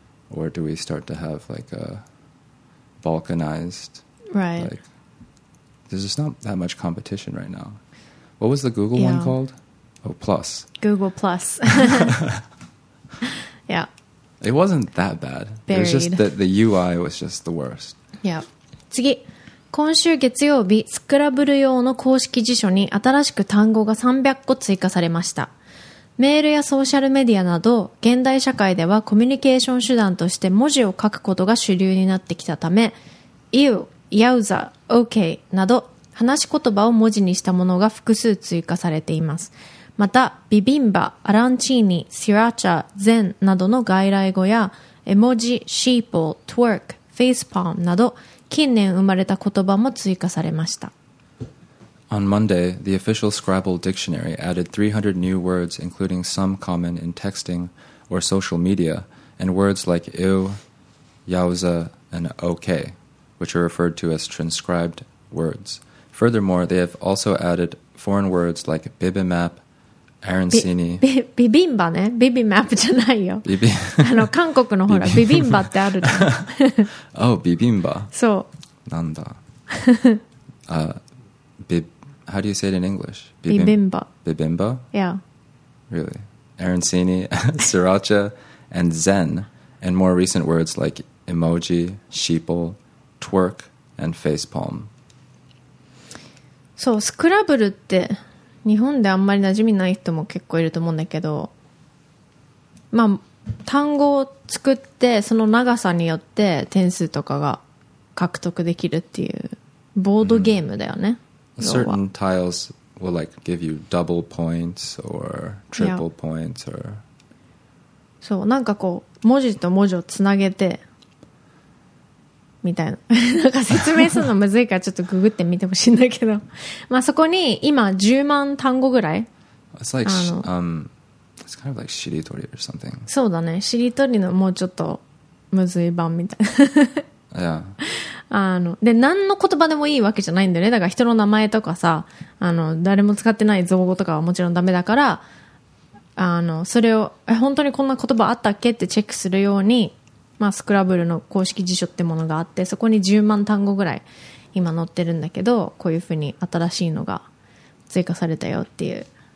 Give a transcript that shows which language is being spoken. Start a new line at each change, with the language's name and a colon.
English: Or do we start to have like a balkanized, right? Like, there's just not that much competition right now. What was the Google one called? Oh, Plus. Google Plus. Yeah. It wasn't that bad. Buried. It was just that the UI was just the worst. Yeah.
Japanese: 次。今週月曜日、スクラブル用の公式辞書に新しく単語が300個追加されました。メールやソーシャルメディアなど、現代社会ではコミュニケーション手段として文字を書くことが主流になってきたため、You、Yowza、OK など、話し言葉を文字にしたものが複数追加されています。また、ビビンバ、アランチーニ、シラチャ、ゼンなどの外来語や、絵文字、シーポー、トゥーク、フェイスパームなど、近年生まれた言葉も追加されました。
English: On Monday, the official Scrabble dictionary added 300 new words, including some common in texting or social media, and words like ew, yowza, and ok, which are referred to as transcribed words. Furthermore, they have also added foreign words like bibimap, arancini. Bibimba, ne? Bibimap
Japanese: じゃないよ。あの、韓国のほら、ビビンバってあるじ
English: ゃん。Oh, bibimba.
Japanese: そう。なんだ。
English: How do you say it in English? Bibimba. Bibimba? Yeah. Really? Arancini, sriracha, and zen, and more recent words like emoji, sheeple, twerk, and facepalm.
Japanese: そう、スクラブルって日本であんまり馴染みない人も結構いると思うんだけど、まあ、単語を作ってその長さによって点数とかが獲得できるっていうボードゲームだよね。
English: Certain tiles will like give you double points or triple points or
Japanese: そう、なんかこう文字と文字をつなげてみたいな。なんか説明するのむずいからちょっとググってみてほしいんだけど。まあそこに今10万単語ぐらい。
English: It's like, it's kind of like しりとりor something.
Japanese: そうだね。しりとりのもうちょっとむずい版みたいな。
English: Yeah.
Japanese: あの、で、何の言葉でもいいわけじゃないんだよね。だから人の名前とかさ、あの、誰も使ってない造語とかはもちろんダメだから、あの、それを、本当にこんな言葉あったっけってチェックするように、まあ、スクラブルの公式辞書ってものがあって、そこに10万単語ぐらい今載ってるんだけど、こういうふうに新しいのが追加されたよっていう。